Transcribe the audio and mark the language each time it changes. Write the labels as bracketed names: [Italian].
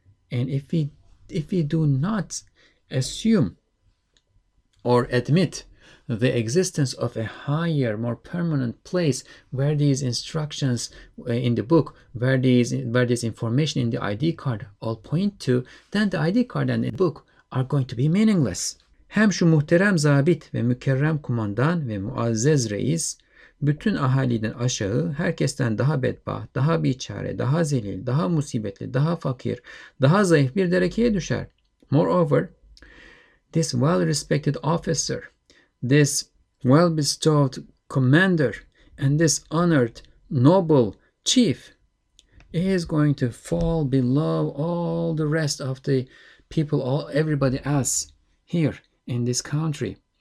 [English] And if we do not assume or admit the existence of a higher, more permanent place where these instructions in the book, where this information in the ID card all point to, then the ID card and the book are going to be meaningless. [Turkish] Hem şu muhterem zabit ve mükerrem kumandan ve muazzez reis, bütün ahaliden aşağı, herkesten daha bedbaht, daha biçare, daha zelil, daha musibetli, daha fakir, daha zayıf bir derekeye düşer. [English] Moreover, this well-respected officer, this well-bestowed commander, and this honored noble chief is going to fall below all the rest of the people, everybody else here in this country.